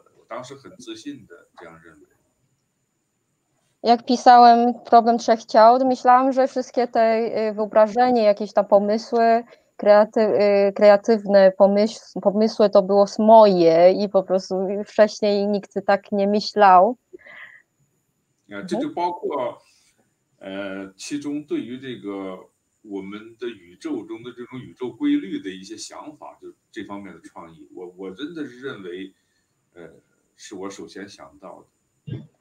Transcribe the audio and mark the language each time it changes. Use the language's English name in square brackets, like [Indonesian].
[Chinese] 很多的创意，当时我以为都是我自己就是首创的，以前是没有过的。我当时很自信的这样认为。 [Polish] Jak pisałem Problem Trzech Ciał, myślałam, że wszystkie te wyobrażenie, jakieś tam pomysły, kreatywne pomysły to było moje i po prostu wcześniej nikt tak nie myślał. [Chinese] 这就包括其中对于这个 我们的宇宙中的这种宇宙规律的一些想法，就这方面的创意，我真的是认为，是我首先想到的。